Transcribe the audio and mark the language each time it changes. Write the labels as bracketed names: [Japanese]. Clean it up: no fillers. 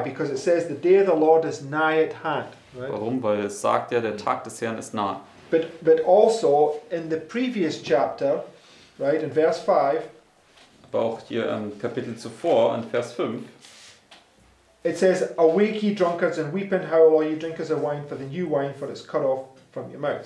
[English] Because it says the day of the Lord is nigh at hand. Right? [German] Warum? Weil es sagt ja, der Tag des Herrn ist nah. [English] But also in the previous chapter, right, in verse 5. [German] Aber auch hier im Kapitel zuvor, in Vers 5. [English] It says, awake ye drunkards and weep and howl all ye drinkers of wine, for the new wine, for it's cut off from your mouth.